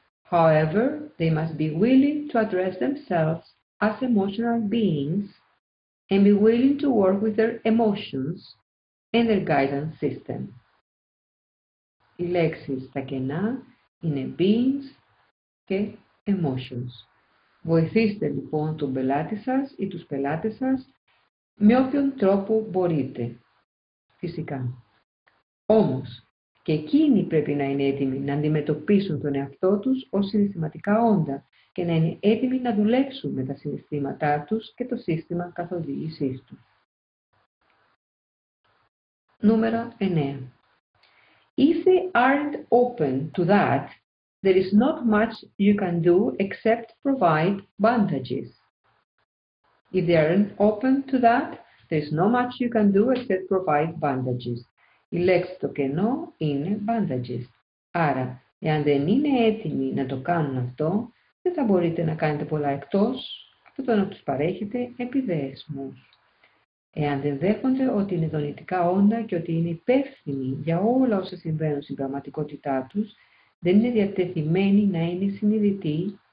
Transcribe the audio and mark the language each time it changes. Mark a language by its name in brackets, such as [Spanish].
[English] However, they must be willing to address themselves as emotional beings and be willing to work with their emotions and their guidance system. [Greek] Οι λέξεις τα κενά είναι beings και emotions. Βοηθήστε λοιπόν τον πελάτη σας ή τους πελάτες σας με όποιον τρόπο μπορείτε, φυσικά. Όμως, και εκείνοι πρέπει να είναι έτοιμοι να αντιμετωπίσουν τον εαυτό τους ως συναισθηματικά όντα και να είναι έτοιμοι να δουλέψουν με τα συναισθήματά τους και το σύστημα καθοδήγησής τους. Νούμερο 9. [English] If they aren't open to that, there is not much you can do except provide bandages. If they aren't open to that, there is not much you can do except provide bandages. [Greek] Η λέξη το κενό είναι bandages. Άρα, εάν δεν είναι έτοιμοι να το κάνουν αυτό, δεν θα μπορείτε να κάνετε πολλά εκτός από το να τους παρέχετε επιδέσμους. Εάν δεν δέχονται ότι είναι δονητικά όντα και ότι είναι υπεύθυνοι για όλα όσα συμβαίνουν στην πραγματικότητά τους, δεν είναι διατεθειμένοι να είναι συνειδητοί.